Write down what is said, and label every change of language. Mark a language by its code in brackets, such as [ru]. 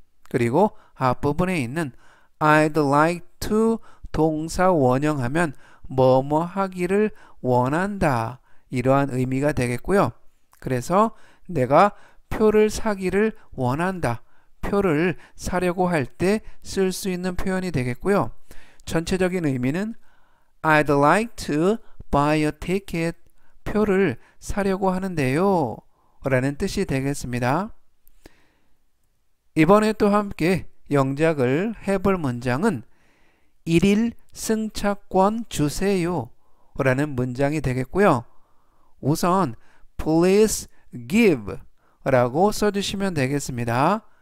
[ko] 그리고 앞부분에 있는 [en] I'd like to [ko] 동사 원형하면 뭐뭐 하기를 원한다 이러한 의미가 되겠고요. 그래서 내가 표를 사기를 원한다, 표를 사려고 할때쓸수 있는 표현이 되겠고요. 전체적인 의미는 [en] I'd like to buy a ticket, [ko] 표를 사려고 하는데요. 라는 뜻이 되겠습니다. 이번에 또 함께 영작을 해볼 문장은 일일 승차권 주세요. 라는 문장이 되겠고요. 우선 [en] please give [ko] 라고 써주시면 되겠습니다.